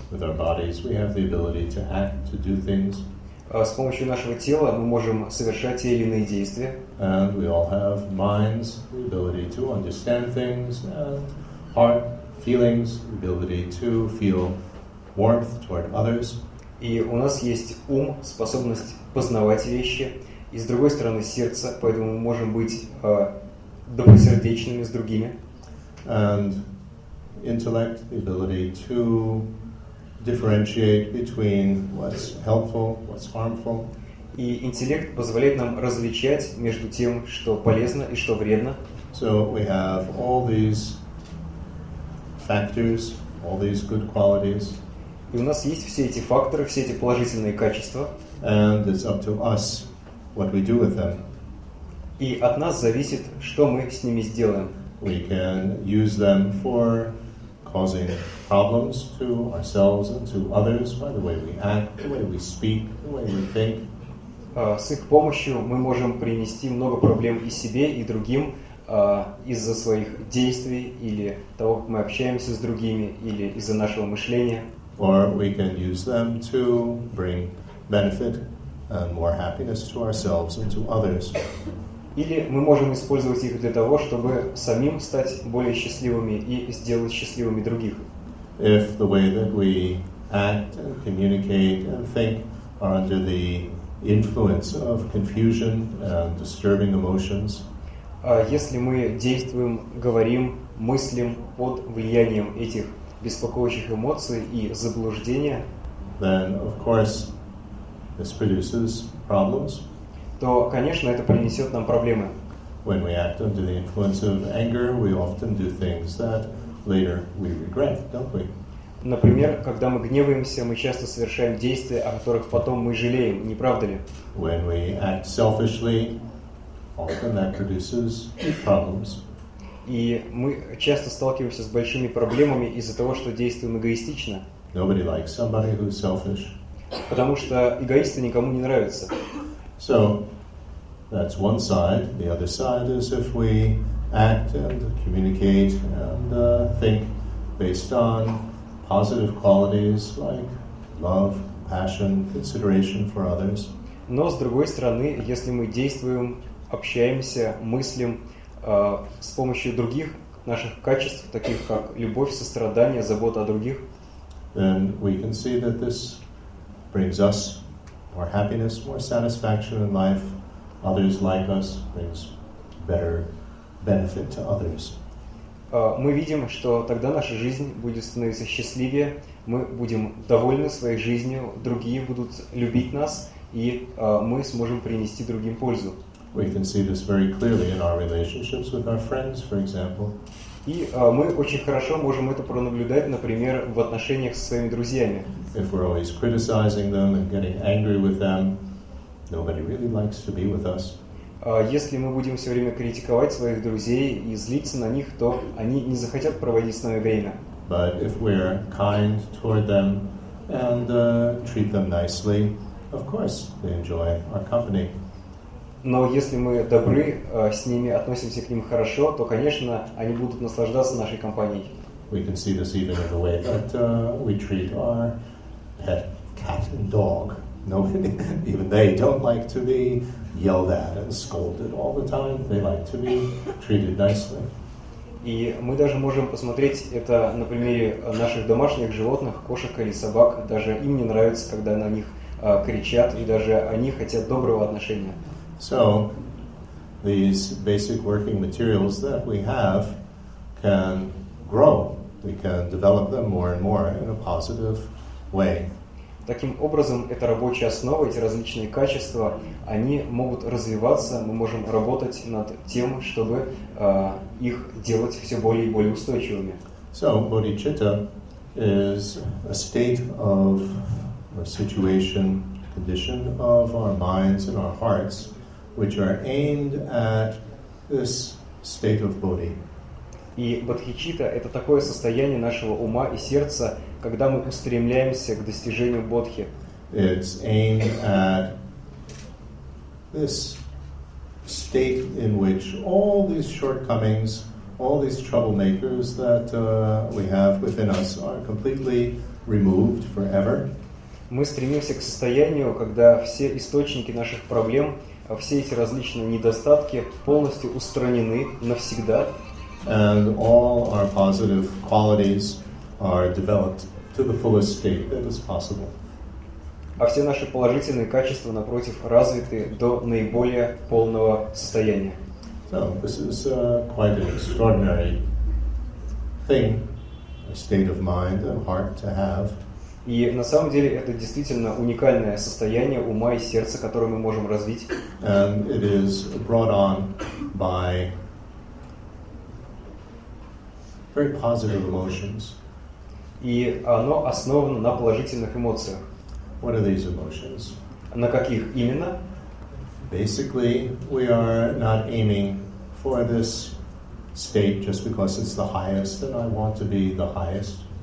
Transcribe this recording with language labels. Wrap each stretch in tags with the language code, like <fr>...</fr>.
<en>With our bodies, we have the ability to act, to do things.</en> <ru>С помощью нашего тела мы можем совершать те или иные действия.</ru> <en>And we all have minds, the ability to understand things, and heart, feelings, the ability to feel warmth toward others.</en> <ru>И у нас есть ум, способность познавать вещи. И с другой стороны, сердце, поэтому мы можем быть добросердечными с другими.</ru> <en>And intellect, the ability to differentiate between what's helpful, what's harmful.</en> <ru>И интеллект позволяет нам различать между тем, что полезно и что вредно.</ru> <en>So we have all these factors, all these good qualities.</en> <ru>И у нас есть все эти факторы, все эти положительные качества.</ru> <en>And it's up to us what we do with them.</en> <ru>И от нас зависит, что мы с ними сделаем.</ru> <en>We can use them for causing problems to ourselves and to others by the way we act, the way we speak, the way we think.</en> <ru>С их помощью мы можем принести много проблем и себе, и другим из-за своих действий или того, как мы общаемся с другими, или из-за нашего мышления.</ru> <en>Or we can use them to bring benefit and more happiness to ourselves and to others.</en> <ru>Или мы можем использовать их для того, чтобы самим стать более счастливыми и сделать счастливыми других.</ru> <en>If the way that we act and communicate and think are under the influence of confusion and disturbing emotions.</en> <ru>Если мы действуем, говорим, мыслим под влиянием этих беспокоящих эмоций и заблуждения,</ru> <en>then, of course, this produces problems.</en> <ru>То, конечно, это принесет нам проблемы.</ru> <en>When we act under the influence of anger, we often do things that later we regret, don't we?</en> <ru>Например, когда мы гневаемся, мы часто совершаем действия, о которых потом мы жалеем, не правда ли?</ru> <en>When we act selfishly, often that produces problems.</en> <ru>И мы часто сталкиваемся с большими проблемами из-за того, что действуем эгоистично.</ru> <en>Nobody likes somebody who's selfish.</en> <ru>Потому что эгоисты никому не нравятся.</ru> <en>So, that's one side. The other side is if we act and communicate and think based on positive qualities like love, passion, consideration for others.</en> <ru>Но с другой стороны, если мы действуем, общаемся, мыслим с помощью других наших качеств, таких как любовь, сострадание, забота о других,</ru> <en>then we can see that this brings us more happiness, more satisfaction in life. Others like us brings better benefit to others.</en> <ru>Мы видим, что тогда наша жизнь будет становиться счастливее, мы будем довольны своей жизнью, другие будут любить нас, и мы сможем принести другим пользу.</ru> <en>We can see this very clearly in our relationships with our friends, for example.</en> <ru>И мы очень хорошо можем это пронаблюдать, например, в отношениях со своими друзьями.</ru> <en>If we're always criticizing them and getting angry with them, nobody really likes to be with us.</en> <ru>Если мы будем все время критиковать своих друзей и злиться на них, то они не захотят проводить с нами время.</ru> <en>But if we're kind toward them and treat them nicely, of course they enjoy our company.</en> <ru>Но если мы добры с ними, относимся к ним хорошо, то, конечно, они будут наслаждаться нашей компанией.</ru> <en>We can see this even in the way that we treat our pet cat and dog. Nobody, even they don't like to be yelled at and scolded all the time. They like to be treated nicely.</en> <ru>И мы даже можем посмотреть это на примере наших домашних животных, кошек или собак. Даже им не нравится, когда на них кричат, и даже они хотят доброго отношения.</ru> <en>So, these basic working materials that we have can grow. We can develop them more and more in a positive way.</en> <ru>Таким образом, эта рабочая основа, эти различные качества, они могут развиваться, мы можем работать над тем, чтобы их делать все более и более устойчивыми.</ru> <en>So, bodhicitta is a state of a situation, condition of our minds and our hearts, which are aimed at this state of bodhi.</en> <ru>И бодхичитта — это такое состояние нашего ума и сердца, когда мы устремляемся к достижению бодхи.</ru> <en>It's aimed at this state in which all these shortcomings, all these troublemakers that we have within us are completely removed forever.</en> <ru>Мы стремимся к состоянию, когда все источники наших проблем, все эти различные недостатки полностью устранены навсегда.</ru> <en>And all our positive qualities are developed to the fullest state that is possible.</en> <ru>А все наши положительные качества, напротив, развиты до наиболее полного состояния.</ru> <en>So, this is quite an extraordinary thing, a state of mind and heart to have.</en> <ru>И на самом деле это действительно уникальное состояние ума и сердца, которое мы можем развить.</ru> <en>And it is brought on by very positive emotions.</en> <ru>И оно основано на положительных эмоциях.</ru> <en>What are these emotions?</en> <ru>На каких именно?</ru> <en>Basically, we are not aiming for this state just because it's the highest and I want to be the highest.</en>